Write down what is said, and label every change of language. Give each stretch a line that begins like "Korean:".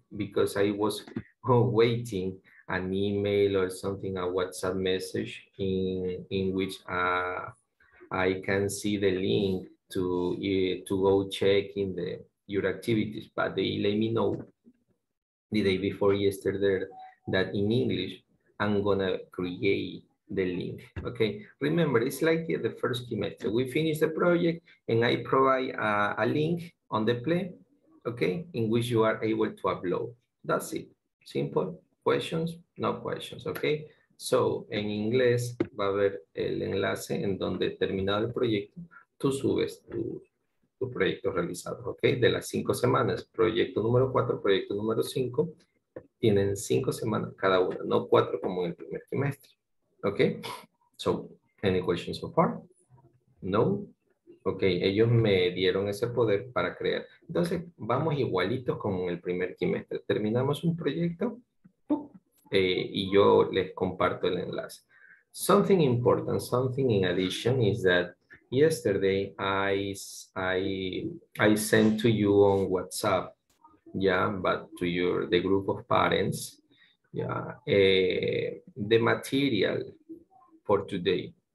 English: Because I was waiting an email or something, a WhatsApp message in which I can see the link to go check in the your activities, but they let me know the day before yesterday that in English I'm gonna create the link. Okay, remember it's like the first semester. We finish the project and I provide a link on the play, okay, in which you are able to upload. That's it. Simple questions, no questions, okay?
Spanish: So en inglés va a haber el enlace en donde terminado el proyecto. Tú subes tu proyecto realizado, ¿ok? De las 5 semanas, proyecto número 4, proyecto número 5, tienen 5 semanas cada una, no 4 como en el primer trimestre, ¿ok?
English: So, any questions so far? No? Ok, ellos me dieron ese poder para crear.
Spanish: Entonces, vamos igualitos como en el primer trimestre. Terminamos un proyecto y yo les comparto el enlace.
English: Something important, something in addition is that yesterday, I sent to you on WhatsApp, yeah, but to your the group of parents, yeah, the material for today.